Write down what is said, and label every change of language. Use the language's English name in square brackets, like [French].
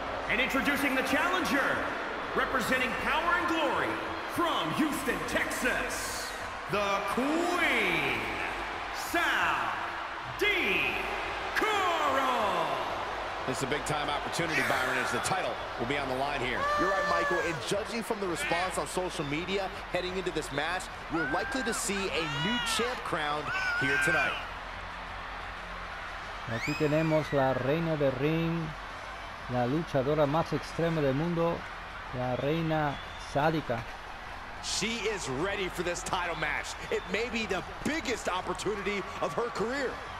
[English] And introducing the challenger, representing power and glory from Houston, Texas, the Queen, Sadika. This is a big time opportunity, Byron, as the title will be on the line here. You're right, Michael, and judging from the response on social media heading into this match, we're likely to see a new champ crowned here tonight. [Spanish] Aquí tenemos la Reina del Ring, la luchadora más extrema del mundo, la Reina Sadika. [English] She is ready for this title match. It may be the biggest opportunity of her career.